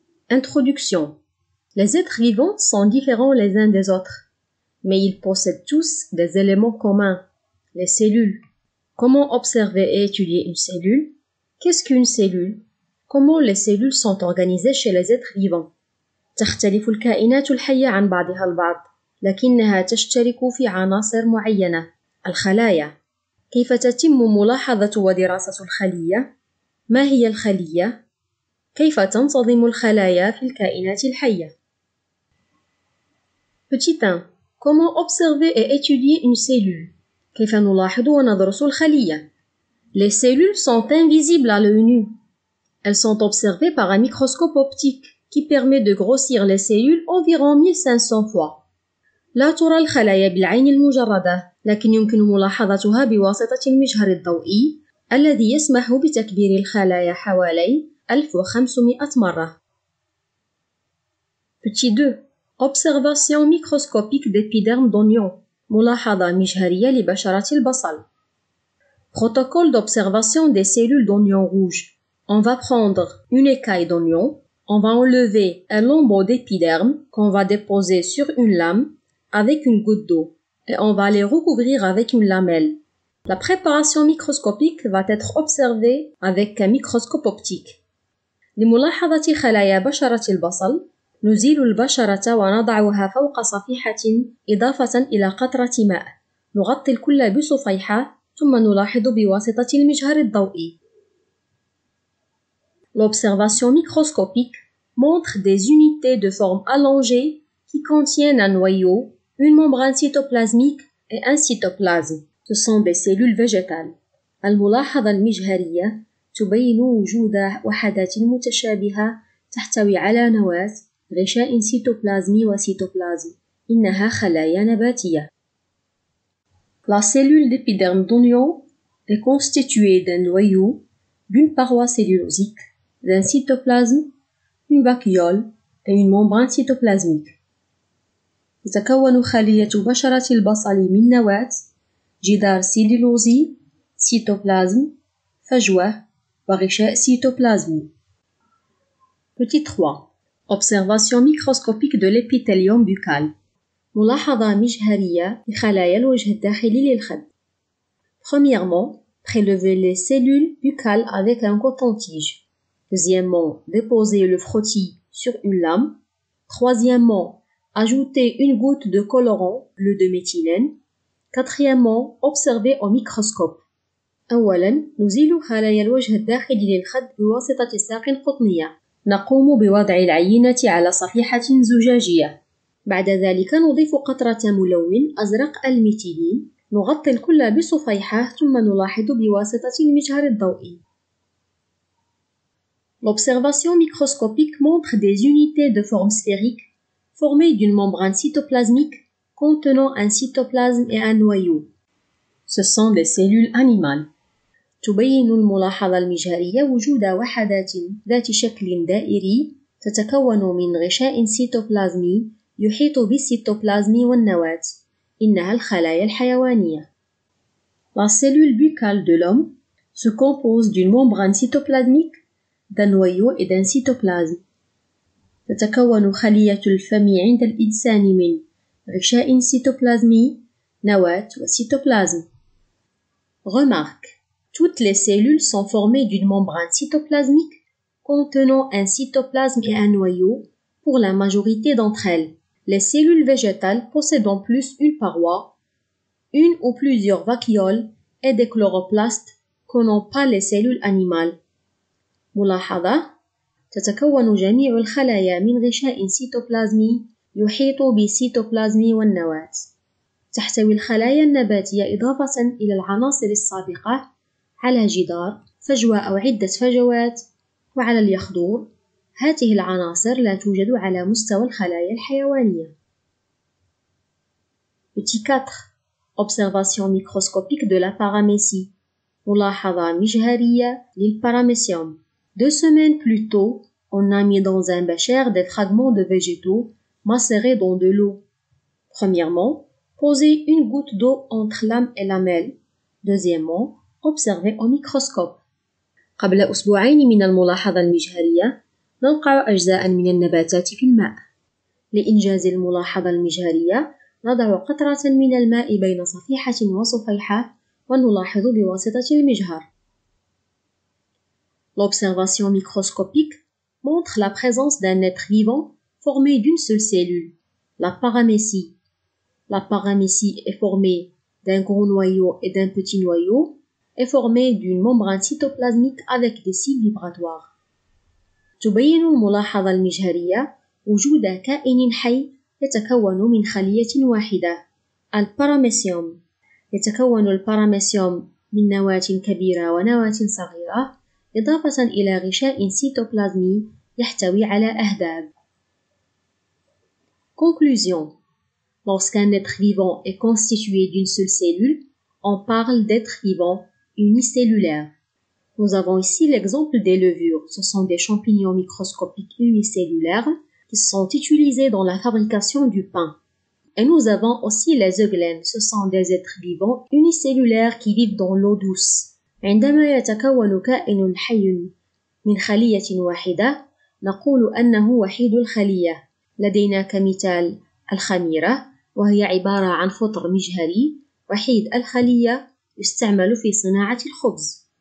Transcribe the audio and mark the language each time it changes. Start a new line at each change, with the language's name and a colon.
French: Introduction. Les êtres vivants sont différents les uns des autres, mais ils possèdent tous des éléments communs, les cellules. Comment observer et étudier une cellule ? Qu'est-ce qu'une cellule ? Comment les cellules sont organisées chez les êtres vivants ?
Arabic: تختلف الكائنات الحية عن بعضها البعض لكنها تشترك في عناصر معينة الخلايا كيف تتم ملاحظة ودراسة الخلية؟ ما هي الخلية؟ كيف تنتظم الخلايا في الكائنات الحية؟
French: Petit 1. Comment observer et étudier une cellule?
Arabic: كيف نلاحظ وندرس الخلية؟
French: Les cellules sont invisibles à l'œil nu. Elles sont observées par un microscope optique qui permet de grossir les cellules environ 1500 fois.
Arabic: لا ترى الخلايا بالعين المجردة لكن يمكن ملاحظتها بواسطة المجهر الضوئي الذي يسمح بتكبير الخلايا حوالي 1500 مرة.
French: Petit 2. Observation microscopique d'épiderme d'oignon.
Arabic: ملاحظة مجهرية لبشرة البصل.
French: Protocole d'observation des cellules d'oignon rouge. On va prendre une écaille d'oignon. On va enlever un lambeau d'épiderme qu'on va déposer sur une lame avec une goutte d'eau et on va les recouvrir avec une lamelle. La préparation microscopique va être observée avec un microscope optique.
Arabic: لملاحظة خلايا بشرة البصل نزيل البشرة ونضعها فوق صفيحة إضافة إلى قطرة ماء. نغطي الكل بصفيحة ثم نلاحظ بواسطة المجهر الضوئي.
French: L'observation microscopique montre des unités de forme allongée qui contiennent un noyau, une membrane cytoplasmique et un cytoplasme. Ce sont des cellules végétales.
Arabic: الملاحظة المجهرية تبين وجود وحدات متشابهة تحتوي على نواة غشاء سيتوبلازمي وسيتوبلازم. إنها خلايا نباتية.
French: La cellule d'épiderme d'oignon est constituée d'un noyau, d'une paroi cellulosique, d'un cytoplasme, une vacuole et une membrane cytoplasmique.
Arabic: تتكون خلية بشرة البصل من نواة جدار سيلولوزي، سيتوبلازم، فجوة وغشاء سيتوبلازمي.
French: Petit 3. Observation microscopique de l'épithélium buccal.
Arabic: ملاحظة مجهرية لخلايا الوجه الداخلي للخد.
French: Premièrement, prélever les cellules buccales avec un coton-tige. Deuxièmement, déposer le frottis sur une lame. Troisièmement, ajouter une goutte de colorant bleu de méthylène. Quatrièmement, observer au microscope.
Arabic: أولا, نزيل خلايا الوجه الداخلي للخد بواسطة ساق قطنية. نقوم بوضع العينة على صفيحة زجاجية. بعد ذلك نضيف قطرة ملون أزرق الميتيلين. نغطي الكل بصفيحة ثم نلاحظ بواسطة المجهر الضوئي.
French: L'observation microscopique montre des unités de forme sphérique formées d'une membrane cytoplasmique contenant un cytoplasme et un noyau. Ce sont des cellules animales.
Arabic: تبين الملاحظة المجهرية وجود وحدات ذات شكل دائري تتكون من غشاء سيتوبلازمي يحيط بالسيتوبلازم والنواة. إنها الخلايا الحيوانية.
French: La cellule buccale de l'homme se compose d'une membrane cytoplasmique, d'un noyau et d'un cytoplasme.
Arabic: تتكون خلية الفم عند الإنسان من غشاء سيتوبلازمي، نواة وسيتوبلازم.
French: Remarque. Toutes les cellules sont formées d'une membrane cytoplasmique contenant un cytoplasme et un noyau pour la majorité d'entre elles. Les cellules végétales possèdent en plus une paroi, une ou plusieurs vacuoles et des chloroplastes que n'ont pas les cellules animales.
Arabic: ملاحظة تتكون جميع الخلايا من غشاء سيتوبلازمي يحيط بسيتوبلازمي والنواة. تحتوي الخلايا النباتية إضافة إلى العناصر السابقة على جدار فجوة أو عدة فجوات وعلى اليخدور. هذه العناصر لا توجد على مستوى الخلايا الحيوانية.
French: Petit 4. Observation microscopique de la paramécie.
Arabic: ملاحظة مجهرية للباراميسيوم.
French: Deux semaines plus tôt, on a mis dans un bécher des fragments de végétaux macérés dans de l'eau. Premièrement, posez une goutte d'eau entre l'âme et la mêle. Deuxièmement, observez au microscope.
Arabic: قبل أسبوعين من الملاحظة المجهرية، نلقى أجزاء من النباتات في الماء. لإنجاز الملاحظة المجهرية، نضع قطرة من الماء بين صفيحة وصفيحة ونلاحظ بواسطة المجهر.
French: L'observation microscopique montre la présence d'un être vivant formé d'une seule cellule, la paramécie. La paramécie est formée d'un gros noyau et d'un petit noyau, est formée d'une membrane cytoplasmique avec des cils vibratoires.
Arabic: تبين الملاحظة المجهرية وجود كائن حي يتكون من خلية واحدة، الباراميسيوم. يتكون الباراميسيوم من نواة كبيرة ونواة صغيرة، إضافة إلى غشاء سيتوبلازمي يحتوي على أهداب.
French: Conclusion. Lorsqu'un être vivant est constitué d'une seule cellule, on parle d'être vivant unicellulaire. Nous avons ici l'exemple des levures. Ce sont des champignons microscopiques unicellulaires qui sont utilisés dans la fabrication du pain. Et nous avons aussi les euglènes. Ce sont des êtres vivants unicellulaires qui vivent dans l'eau douce.
Arabic: عندما يتكون كائن حي من خلية واحدة، نقول أنه وحيد الخلية. لدينا كمثال الخميرة، وهي عبارة عن فطر مجهري. وحيد الخلية يستعمل في صناعة الخبز.